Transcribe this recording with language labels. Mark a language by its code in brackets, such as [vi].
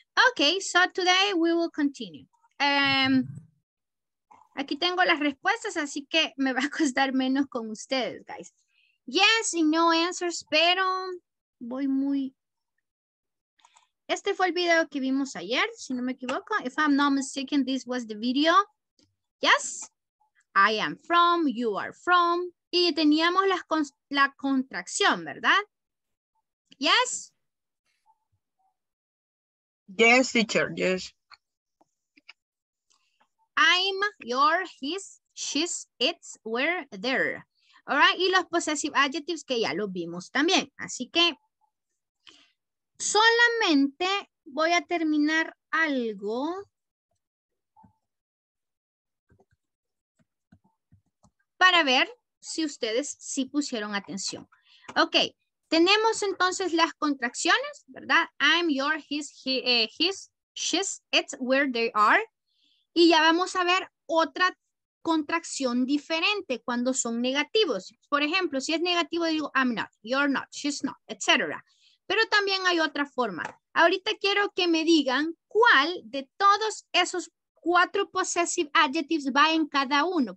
[en] Ok, so today we will continue. [es] Aquí tengo las respuestas, así que me va a costar menos con ustedes, guys. [en] Yes y no answers, [es] pero voy muy... Este fue el video que vimos ayer, si no me equivoco. [en] If I'm not mistaken, this was the video. Yes, I am from, you are from. [es] Y teníamos la contracción, ¿verdad? Yes. [en] Yes, teacher, yes. I'm, your, his, she's, it's, we're, there. [es] All right, y los possessive adjectives que ya los vimos también. Así que solamente voy a terminar algo. Para ver si ustedes sí pusieron atención. Ok, tenemos entonces las contracciones, ¿verdad? [en] I'm, your, his, he, his, she's, it's, where they are. [es] Y ya vamos a ver otra contracción diferente cuando son negativos. Por ejemplo, si es negativo, digo, [en] I'm not, you're not, she's not, [es] etc. Pero también hay otra forma. Ahorita quiero que me digan cuál de todos esos cuatro possessive adjectives va en cada uno.